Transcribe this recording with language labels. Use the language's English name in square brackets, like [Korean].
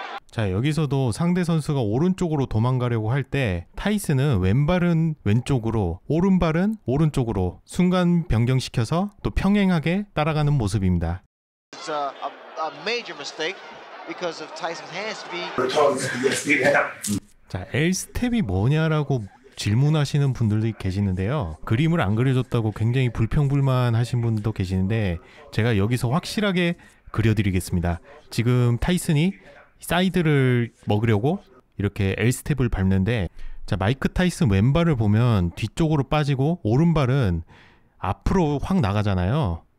[Korean] 자, 여기서도 상대 선수가 오른쪽으로 도망가려고 할 때 타이슨은 왼발은 왼쪽으로 오른발은 오른쪽으로 순간 변경시켜서 또 평행하게 따라가는 모습입니다. [English] It's a major mistake because of Tyson's hand speed. [Korean] 자, L스텝이 뭐냐라고 질문하시는 분들도 계시는데요. 그림을 안 그려줬다고 굉장히 불평불만 하신 분도 계시는데 제가 여기서 확실하게 그려드리겠습니다. 지금 타이슨이 사이드를 먹으려고 이렇게 L스텝을 밟는데 자, 마이크 타이슨 왼발을 보면 뒤쪽으로 빠지고 오른발은 앞으로 확 나가잖아요.